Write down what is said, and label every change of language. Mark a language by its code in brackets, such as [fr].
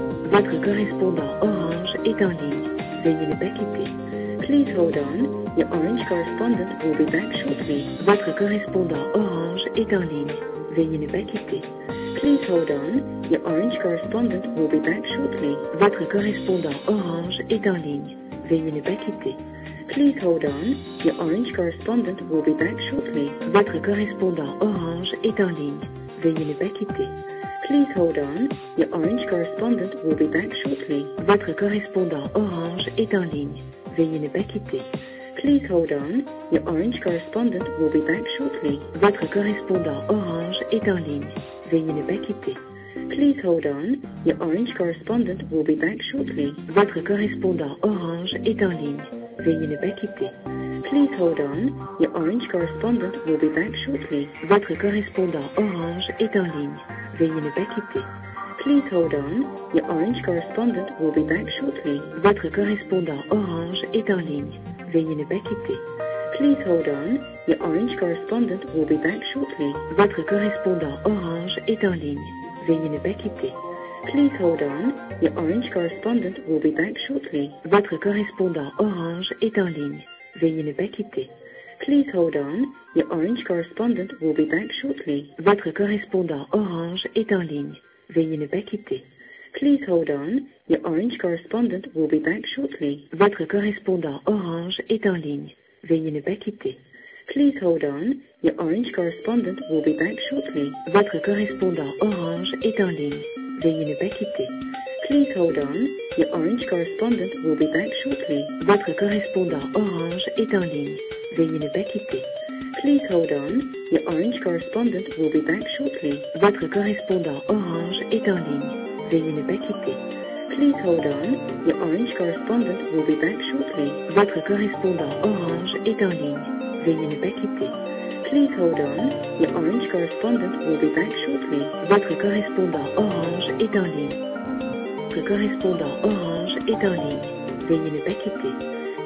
[fr] Votre correspondant Orange est en ligne. Veuillez ne pas quitter. [en] Please hold on. Your Orange correspondent will be back shortly. [fr] Votre correspondant Orange est en ligne. Veuillez ne pas quitter. [en] Please hold on. Your Orange correspondent will be back shortly. [fr] Votre correspondant Orange est en ligne. Veuillez ne pas quitter. [en] Please hold on. Your Orange correspondent will be back shortly. [fr] Votre correspondant Orange est en ligne. Veuillez ne pas quitter. [en] Please hold on, your Orange correspondent will be back shortly. [fr] Votre correspondant Orange est en ligne. Veuillez ne pas quitter. [en] Please hold on, your Orange correspondent will be back shortly. [fr] Votre correspondant Orange est en ligne. Veuillez ne pas quitter. [en] Please hold on, your Orange correspondent will be back shortly. [fr] Votre correspondant Orange est en ligne. Veuillez ne pas quitter. [en] Please hold on, your Orange correspondent will be back shortly. [fr] Votre correspondant Orange est en ligne. Veuillez ne pas quitter. [en] Please hold on, your Orange correspondent will be back shortly. [fr] Votre correspondant Orange est en ligne. Veuillez ne pas quitter. [en] Please hold on, your Orange correspondent will be back shortly. [fr] Votre correspondant Orange est en ligne. Veuillez ne pas quitter. [en] Please hold on, your Orange correspondent will be back shortly. [fr] Votre correspondant Orange est en ligne. Veuillez ne pas quitter. [en] Please hold on, your Orange correspondent will be back shortly. [fr] Votre correspondant Orange est en ligne. Veuillez ne pas quitter. [en] Please hold on, your Orange correspondent will be back shortly. [fr] Votre correspondant Orange est en ligne. Veuillez ne pas quitter. [en] Please hold on, your Orange correspondent will be back shortly. [fr] Votre correspondant Orange est en ligne. Veuillez ne pas quitter. [en] Please hold on, your Orange correspondent will be back shortly. [fr] Votre correspondant Orange est en ligne. Veuillez ne pas quitter. [en] Please hold on. Your Orange correspondent will be back shortly. [fr] Votre correspondant Orange est en ligne. Veuillez ne pas quitter. [en] Please hold on. Your Orange correspondent will be back shortly. [fr] Votre correspondant Orange est en ligne. Veuillez ne pas quitter. [en] Please hold on. Your Orange correspondent will be back shortly. [fr] Votre correspondant Orange est en ligne. Votre correspondant Orange est en ligne. Veuillez ne pas quitter.